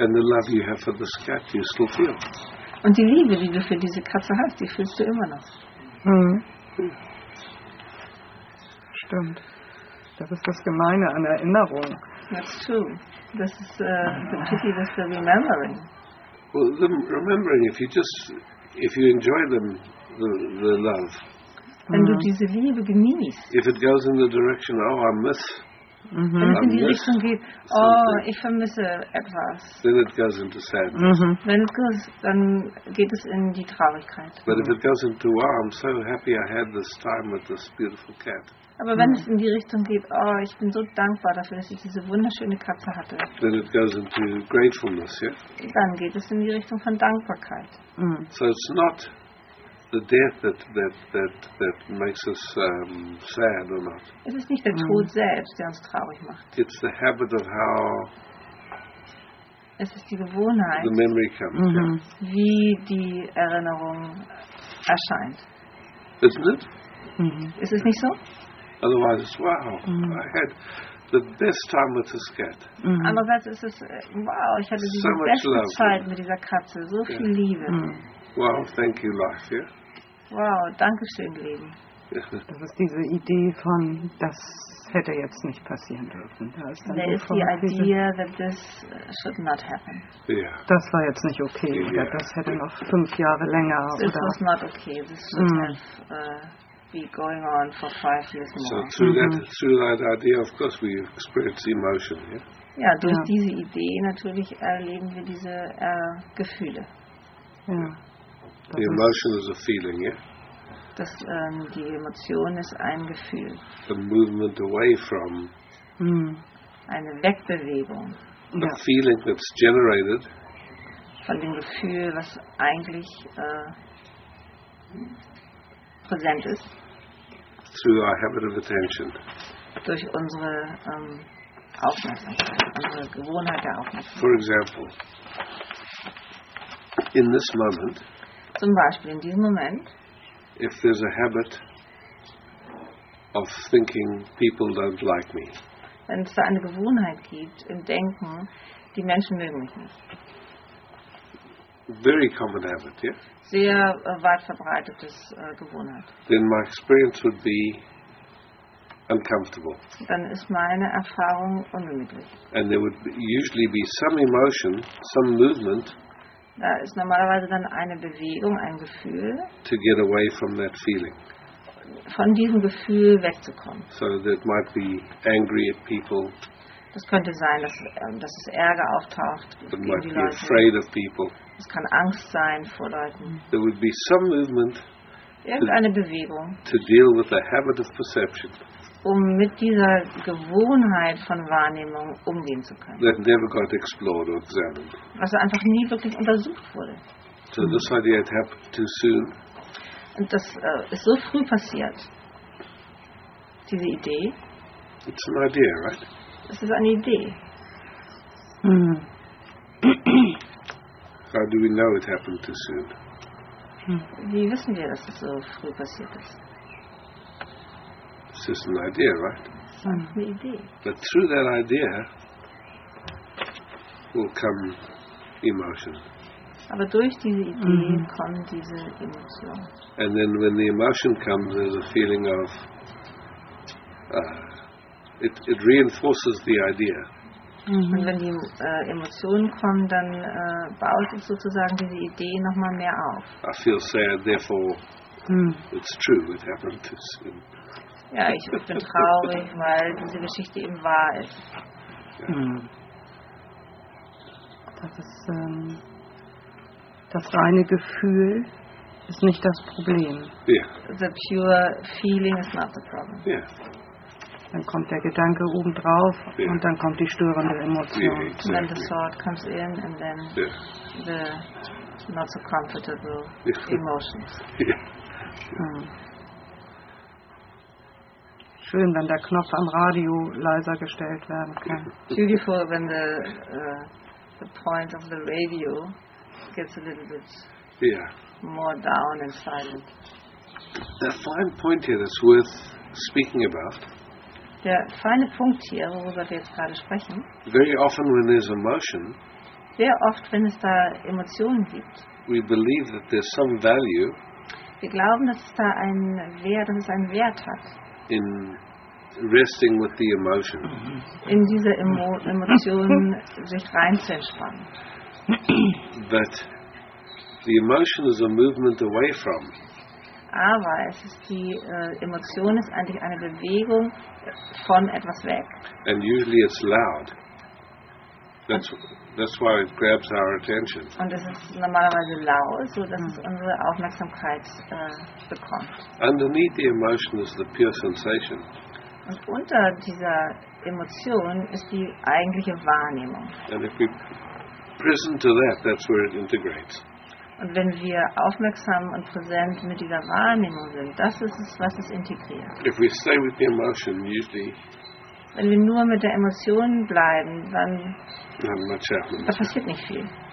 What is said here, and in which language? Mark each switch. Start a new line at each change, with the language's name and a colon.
English: And the love you have for this cat, you still feel.
German: Und die Liebe, die du für diese Katze hast, die fühlst du immer noch. Stimmt. Das ist das Gemeine an Erinnerung.
English: That's true. This is the pity that's the remembering. Well, the remembering, if you enjoy them, the love.
German: Wenn du diese Liebe genießt.
English: If it goes in the direction, oh, I miss.
German: Wenn es in die Richtung geht, oh, ich vermisse etwas.
English: Then it goes into sadness.
German: Wenn es geht, dann geht es in die Traurigkeit.
English: But if it goes into, oh, I'm so happy I had this time with this beautiful cat.
German: Aber wenn es in die Richtung geht, oh, ich bin so dankbar dafür, dass ich diese wunderschöne Katze hatte.
English: Then it goes into gratefulness, yeah?
German: Dann geht es in die Richtung von Dankbarkeit.
English: So it's not the death that makes us sad or not.
German: Es ist nicht der Tod selbst, der uns traurig macht.
English: It's the habit of how.
German: Es ist die Gewohnheit.
English: The memory comes. Mm-hmm.
German: Yeah. Wie die Erinnerung erscheint.
English: Isn't it?
German: Mm-hmm. Ist es nicht so?
English: Otherwise, it's wow. Mm-hmm. I had the best time with this cat.
German: Mm-hmm. Andererseits ist es wow. Ich hatte
English: so
German: die beste
English: love,
German: Zeit mit dieser Katze.
English: So yeah.
German: Viel Liebe. Mm-hmm.
English: Wow, thank you, life. Yeah.
German: Wow, danke schön, Leben. Das ist diese Idee von, das hätte jetzt nicht passieren dürfen. Da ist die Idee,
English: that this should not happen. Yeah.
German: Das war jetzt nicht okay.
English: Yeah.
German: Oder das hätte noch 5 Jahre länger.
English: This was not okay. This should have been going on for 5 years more. So through that idea, of course, we experience emotion. Yeah.
German: Ja, durch diese Idee natürlich erleben wir diese Gefühle. Ja.
English: The emotion is a feeling, yeah.
German: Das, die Emotion ist ein Gefühl.
English: The movement away from.
German: Eine Wegbewegung.
English: The feeling that's generated.
German: Von dem Gefühl, was eigentlich präsent ist.
English: Through our habit of attention.
German: Durch unsere Aufmerksamkeit, unsere Gewohnheit der Aufmerksamkeit.
English: For example. In this moment,
German: zum Beispiel in diesem Moment,
English: if there's a habit of thinking people don't like me,
German: wenn es da eine Gewohnheit gibt im Denken, die Menschen mögen mich nicht.
English: Very common habit, yeah.
German: Sehr weit verbreitetes Gewohnheit.
English: Then my experience would be uncomfortable.
German: Dann ist meine Erfahrung ungemütlich.
English: And there would usually be some emotion, some movement.
German: Da ist normalerweise dann eine Bewegung, ein Gefühl,
English: to get away from that feeling.
German: Von diesem Gefühl wegzukommen.
English: So that might be angry at people.
German: Das könnte sein, dass es Ärger auftaucht gegen
English: might
German: die
English: be
German: Leute.
English: Afraid of people.
German: Es kann Angst sein vor Leuten.
English: There would be some movement,
German: irgendeine Bewegung,
English: to deal with the habit of perception.
German: Um mit dieser Gewohnheit von Wahrnehmung umgehen zu können.
English: That never got explored or examined.
German: Was einfach nie wirklich untersucht wurde.
English: So this idea had happened too soon.
German: Und das ist so früh passiert. Diese Idee.
English: It's an idea, right?
German: Es ist eine Idee.
English: How do we know it happened too soon?
German: Wie wissen wir, dass es so früh passiert ist?
English: It's just an idea, right? But through that idea will come emotion.
German: Aber durch diese Idee kommt diese Emotion.
English: And then when the emotion comes, there's a feeling of it reinforces the idea. Mm-hmm.
German: Und wenn die Emotionen kommen, dann baut es sozusagen diese Idee noch mal mehr auf.
English: I feel sad, therefore it's true, it happened to soon.
German: Ja, ich bin traurig, weil diese Geschichte eben wahr ist. Das ist das reine Gefühl ist nicht das Problem.
English: Yeah. The pure feeling is not the problem. Yeah.
German: Dann kommt der Gedanke obendrauf und dann kommt die störende Emotion.
English: Yeah, exactly. And then the thought comes in and then the not so comfortable emotions.
German: Schön, wenn der Knopf am Radio leiser gestellt werden kann.
English: Beautiful when the point of the radio gets a little bit more down and silent. The fine point here that's worth speaking about.
German: Der feine Punkt hier, worüber wir jetzt gerade sprechen.
English: Very often when there's emotion.
German: Sehr oft, wenn es da Emotionen gibt.
English: We believe that there's some value.
German: Wir glauben, dass es da einen Wert, dass es einen Wert hat.
English: In resting with the emotion.
German: In dieser Emotion sich rein zu entspannen.
English: But the emotion is a movement away from.
German: Aber es ist die Emotion ist eigentlich eine Bewegung von etwas weg.
English: And usually it's loud. That's why it grabs our attention.
German: Und es ist normalerweise laut, so dass es unsere Aufmerksamkeit bekommt.
English: Underneath the emotion is the pure sensation.
German: Und unter dieser Emotion ist die eigentliche Wahrnehmung.
English: And if we present to that, that's where it integrates.
German: Und wenn wir aufmerksam und präsent mit dieser Wahrnehmung sind, das ist es, was es integriert.
English: If we stay with the emotion, usually,
German: wenn wir nur mit der Emotion bleiben, dann da passiert nicht viel.